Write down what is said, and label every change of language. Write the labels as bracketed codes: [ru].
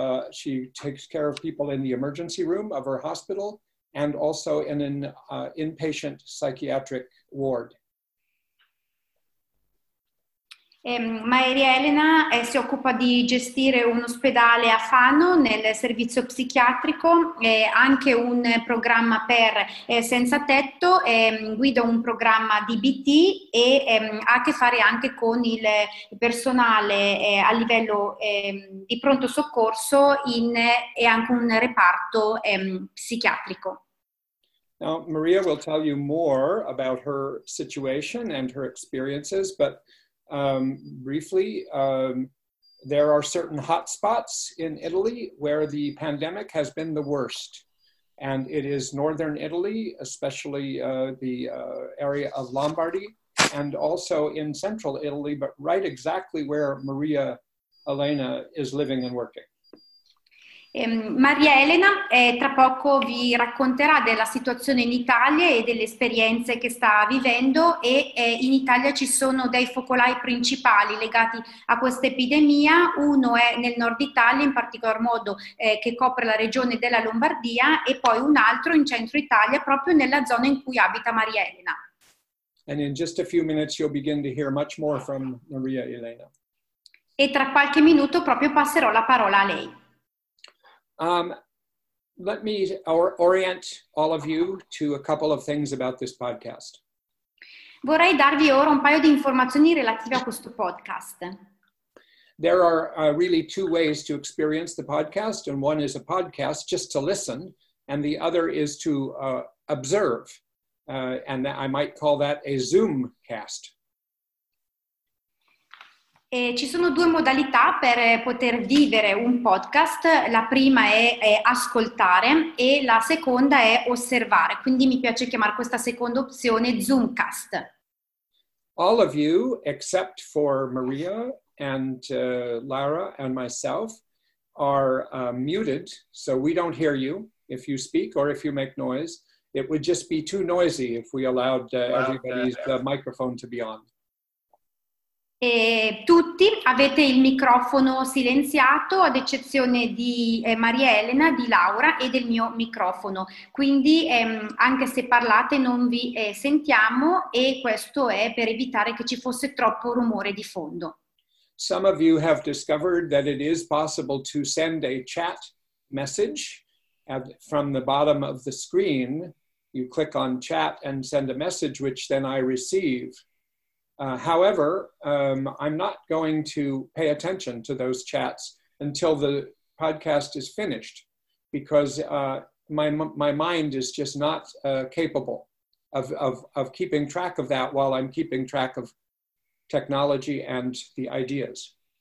[en] She takes care of people in the emergency room of her hospital and also in an inpatient psychiatric ward. [it] Maria Elena si occupa di gestire un ospedale a Fano nel servizio psichiatrico, anche un programma per senza tetto, guida un programma DBT e ha a che fare anche con il personale a livello di pronto soccorso e anche un reparto psichiatrico. [en] Now, Maria will tell you more about her situation and her experiences, but briefly, There are certain hot spots in Italy where the pandemic has been the worst. And it is northern Italy, especially the area of Lombardy, and also in central Italy, but right exactly where Maria Elena is living and working. [it] Maria Elena tra poco vi racconterà della situazione in Italia e delle esperienze che sta vivendo e in Italia ci sono dei focolai principali legati a questa epidemia. Uno è nel nord Italia, in particolar modo che copre la regione della Lombardia, e poi un altro in centro Italia, proprio nella zona in cui abita Maria Elena. [en] And in just a few minutes you'll begin to hear much more from Maria Elena. [it] E tra qualche minuto proprio passerò la parola a lei. [en] Let me orient all of you to a couple of things about this podcast. [it] Vorrei darvi ora un paio di informazioni relative a questo podcast. [en] There are really two ways to experience the podcast, and one is a podcast, just to listen, and the other is to observe, and I might call that a Zoom cast. [it] Ci sono due modalità per poter vivere un podcast. La prima è ascoltare e la seconda è osservare. Quindi mi piace chiamare questa seconda opzione Zoomcast. [en] All of you, except for Maria and Lara and myself, are muted, so we don't hear you if you speak or if you make noise. It would just be too noisy if we allowed everybody's microphone to be on. [it] E tutti avete il microfono silenziato, ad eccezione di Maria Elena, di Laura e del mio microfono. Quindi anche se parlate non vi sentiamo, e questo è per evitare che ci fosse troppo rumore di fondo. [en] Some of you have discovered that it is possible to send a chat message from the bottom of the screen. You click on chat and send a message, which then I receive. However, I'm not going to pay attention to those chats until the podcast is finished, because my mind is just not capable of keeping track of that while I'm keeping track of technology and the ideas.